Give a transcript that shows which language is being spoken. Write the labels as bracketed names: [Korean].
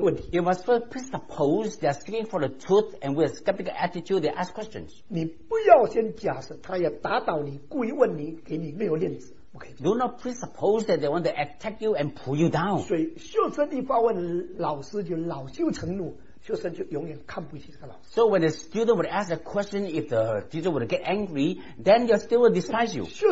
[English] You must first presuppose they are seeking for the truth and with a skeptical attitude they ask questions. [Chinese] 你不要先假设他要打倒你,故意问你,给你没有链子, okay? [English] Do not presuppose that they want to attack you and pull you down. [Chinese] 所以秀生地发问老师就恼羞成怒, 学生就永远看不起这个老师。 [English] So when the student would ask a question, if the teacher would get angry, then your student would despise you.